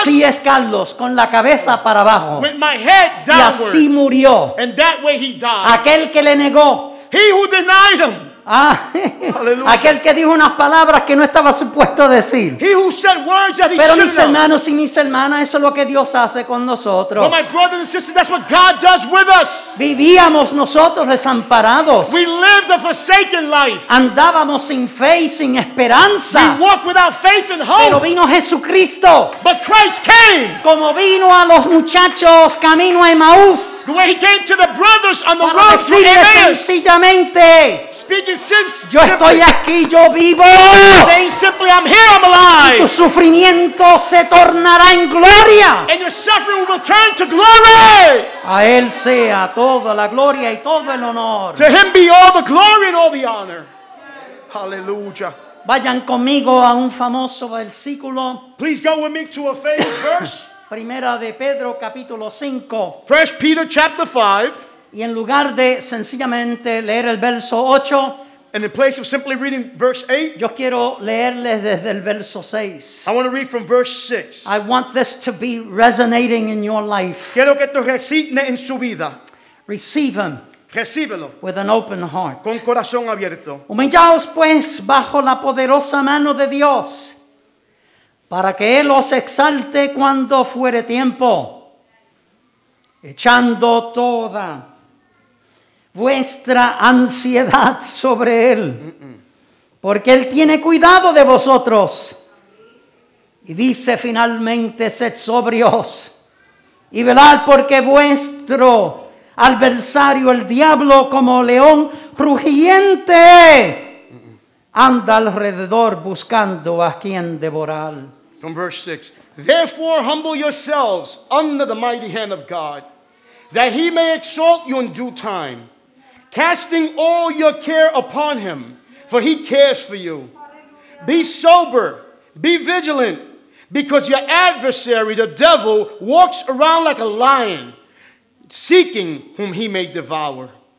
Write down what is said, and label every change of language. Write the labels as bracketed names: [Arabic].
[Spanish] Así es Carlos, con la cabeza para abajo. [English] With my head downward. [Spanish] Y así murió. [English] And that way he died. [Spanish] Aquel que le negó. [English] He who denied him. [Spanish] Ah, aquel que dijo unas palabras que no estaba supuesto decir. [English] He who said words that he [Spanish] Pero mis hermanos y mis hermanas, eso es lo que Dios hace con nosotros. [English] But my brothers and sisters, that's what God does with us. [Spanish] Vivíamos nosotros desamparados. [English] We lived a forsaken life. [Spanish] Andábamos sin fe y sin esperanza. [English] We walked without faith and hope. [Spanish] Pero vino Jesucristo. [English] But Christ came. [Spanish] Como vino a los muchachos camino a Emmaús. [English] The way he came to the brothers on the road to Emmaús. [Spanish] Sencillamente. Yo estoy aquí, yo vivo. [English] Saying simply, I'm here, I'm alive. [Spanish] Y tu sufrimiento se tornará en gloria. [English] And your suffering will turn to glory. [Spanish] A él sea toda la gloria y todo el honor. [English] To him be all the glory and all the honor. Hallelujah. [Spanish] Vayan conmigo a un famoso versículo. [English] Please go with me to a famous verse. [Spanish] Primera de Pedro capítulo 5. [English] First Peter chapter 5. [Spanish] Y en lugar de sencillamente leer el verso 8, [English] and in place of simply reading verse 8, [Spanish] yo quiero leerles desde el verso 6. [English] I want to read from verse 6. I want this to be resonating in your life. [Spanish] Quiero que esto resuene en su vida. [English] Receive him. [Spanish] Recíbelo. [English] With an open heart. [Spanish] Con corazón abierto. Humillaos pues bajo la poderosa mano de Dios, para que él os exalte cuando fuere tiempo, echando toda vuestra ansiedad sobre él, porque él tiene cuidado de vosotros. Y dice finalmente: sed sobrios y velad, porque vuestro adversario, el diablo, como león rugiente, anda alrededor buscando a quien devorar. [English] From verse 6. Therefore, humble yourselves under the mighty hand of God, that he may exalt you in due time, casting all your care upon him, for he cares for you. Be sober, be vigilant, because your adversary, the devil, walks around like a lion, seeking whom he may devour.